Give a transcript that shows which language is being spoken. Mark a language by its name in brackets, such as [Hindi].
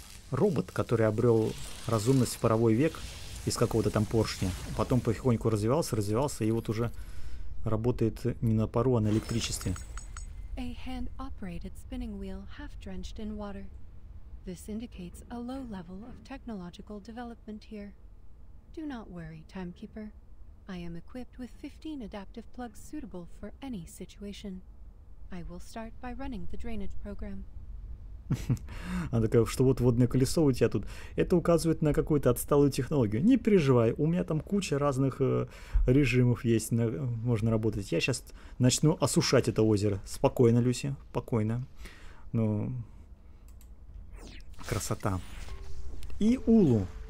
[Russian] Робот, который обрел разумность в паровой век из какого-то там поршня. Потом потихоньку развивался, развивался, и вот уже работает не на пару, а на электричестве. [English] A hand-operated spinning wheel half-drenched in water. This indicates a low level of technological development here. Do not worry, timekeeper. I am equipped with 15 adaptive plugs suitable for any situation. I will start by running the drainage program. [Russian] Она такая, что вот водное колесо у тебя тут. Это указывает на какую-то отсталую технологию. Не переживай, у меня там куча разных режимов есть, можно работать. Я сейчас начну осушать это озеро. Спокойно, Люси, спокойно. Ну... Красота. И Улу.